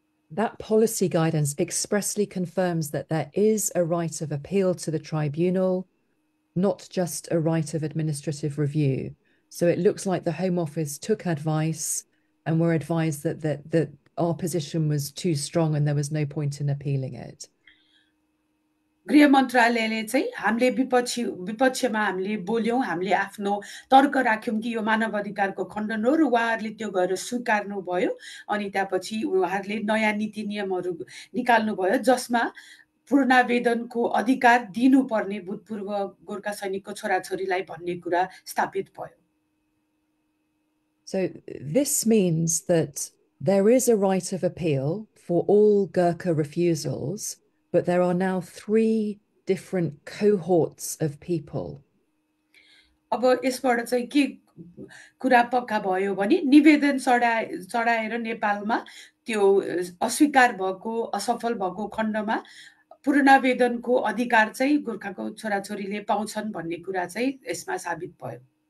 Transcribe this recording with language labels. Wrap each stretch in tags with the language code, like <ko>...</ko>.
<en>That policy guidance expressly confirms that there is a right of appeal to the tribunal, not just a right of administrative review. So it looks like the Home Office took advice and were advised that that our position was too strong and there was no point in appealing it.</en> <ne>गृह मन्त्रालयले चाहिँ हामीले विपक्षमा हामीले बोल्यौँ, हामीले आफ्नो तर्क राख्यौँ कि यो मानव अधिकारको खण्डन हो र उहाँहरूले त्यो गएर स्वीकार्नु भयो अनि त्यहाँपछि उहाँहरूले नयाँ नीति नियमहरू निकाल्नु भयो जसमा पुनरावेदनको अधिकार दिनुपर्ने भूतपूर्व गोर्खा सैनिकको छोराछोरीलाई भन्ने कुरा स्थापित भयो।</ne> <en>So this means that there is a right of appeal for all Gurkha refusals, but there are now three different cohorts of people.</en> <ne>अब यसबाट चाहिँ के कुरा पक्का भयो भने निवेदन चढाएर नेपालमा त्यो अस्वीकार भएको असफल भएको खण्डमा पुनरावेदनको अधिकार चाहिँ गोर्खाको छोराछोरीले पाउँछन् भन्ने कुरा चाहिँ यसमा साबित भयो।</ne>